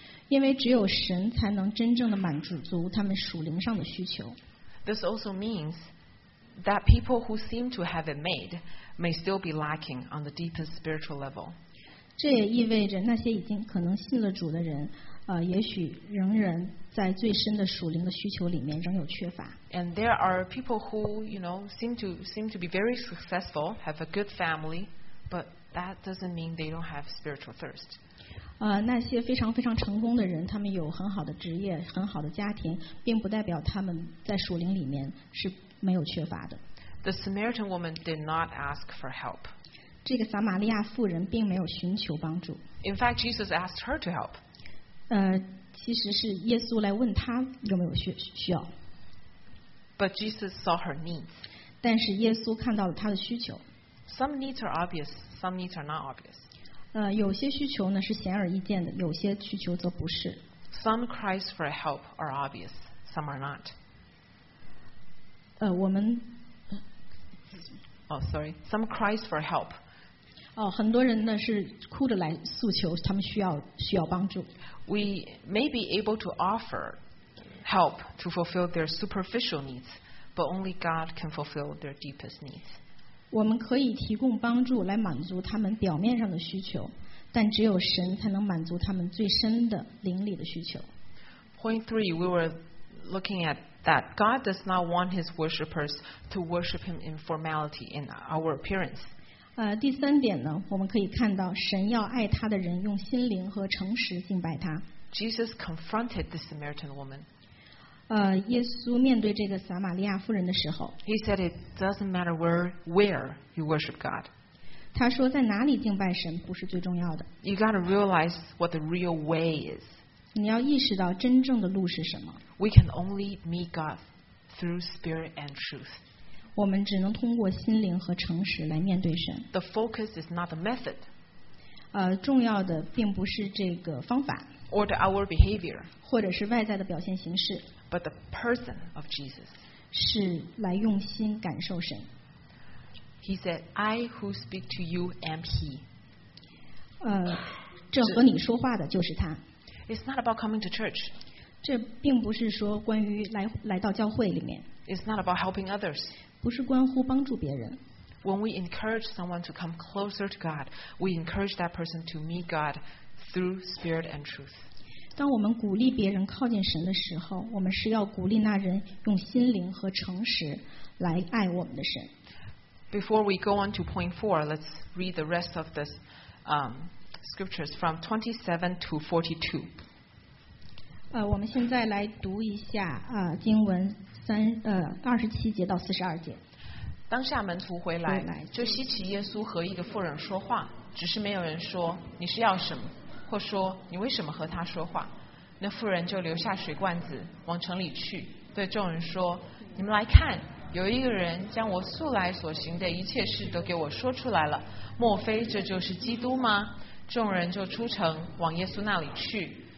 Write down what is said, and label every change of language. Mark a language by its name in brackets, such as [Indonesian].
[Chinese] 因为只有神才能真正的满足他们属灵上的需求。 [English] This also means that people who seem to have it made may still be lacking on the deepest spiritual level. [Chinese] 这也意味着那些已经可能信了主的人，也许仍然在最深的属灵的需求里面仍有缺乏。 [English] And there are people who, you know, seem to be very successful, have a good family, but that doesn't mean they don't have spiritual thirst. [Chinese] 那些非常非常成功的人，他们有很好的职业，很好的家庭，并不代表他们在属灵里面是没有缺乏的。 [English] The Samaritan woman did not ask for help. [Chinese] 这个撒玛利亚妇人并没有寻求帮助。 [English] In fact, Jesus asked her to help. [Chinese] 其实是耶稣来问她有没有需要。 [English] But Jesus saw her needs. [Chinese] 但是耶稣看到了她的需求。 [English] Some needs are obvious, some needs are not obvious. [Chinese] 有些需求呢是显而易见的，有些需求则不是。 [English] Some cries for help are obvious, some are not. [Chinese] 我们 [English] Some cries for help. [Chinese] 很多人呢是哭着来诉求，他们需要帮助。 [English] We may be able to offer help to fulfill their superficial needs, but only God can fulfill their deepest needs. [Chinese] 我们可以提供帮助来满足他们表面上的需求，但只有神才能满足他们最深的灵里的需求。 [English] Point three, we were looking at. That God does not want His worshippers to worship Him in formality in our appearance. [Chinese] 第三点呢，我们可以看到神要爱他的人用心灵和诚实敬拜他。 [English] Jesus confronted the Samaritan woman. [Chinese] 耶稣面对这个撒玛利亚妇人的时候 [English] ，He said it doesn't matter where you worship God. [Chinese] 他说在哪里敬拜神不是最重要的。 [English] You got to realize what the real way is. [Chinese] 你要意识到真正的路是什么。 [English] We can only meet God through spirit and truth. [Chinese] 我们只能通过心灵和诚实来面对神。 [English] The focus is not the method. [Chinese] 重要的并不是这个方法。 [English] Or our behavior. [Chinese] 或者是外在的表现形式。 [English] But the person of Jesus. [Chinese] 是来用心感受神。 [English] He said, I who speak to you am he. [Chinese] 这和你说话的就是他。 [English] It's not about coming to church. [Chinese] 这并不是说关于 来到教会里面。 [English] It's not about helping others. [Chinese] 不是关乎帮助别人。 [English] When we encourage someone to come closer to God, we encourage that person to meet God through spirit and truth. [Chinese] 当我们鼓励别人靠近神的时候，我们是要鼓励那人用心灵和诚实来爱我们的神。 [English] Before we go on to point four, let's read the rest of this, scriptures from 27 to 42. [Chinese] 我们现在来读一下经文27节到42节。当下门徒回来，就稀奇耶稣和一个妇人说话，只是没有人说你是要什么，或说你为什么和他说话。那妇人就留下水罐子往城里去，对众人说：你们来看，有一个人将我素来所行的一切事都给我说出来了，莫非这就是基督吗？众人就出城往耶稣那里去。